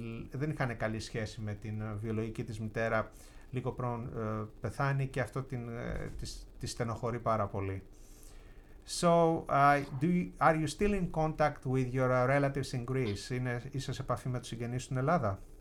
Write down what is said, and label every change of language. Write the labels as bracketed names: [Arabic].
[Greek] δεν είχαν καλή σχέση με την βιολογική της μητέρα λίγο πριν πεθάνει και αυτό τη στενοχωρεί πάρα πολύ. [English] So, are you still in contact with your relatives in Greece? [Greek] Είσαι σε επαφή με τους συγγενείς στην Ελλάδα?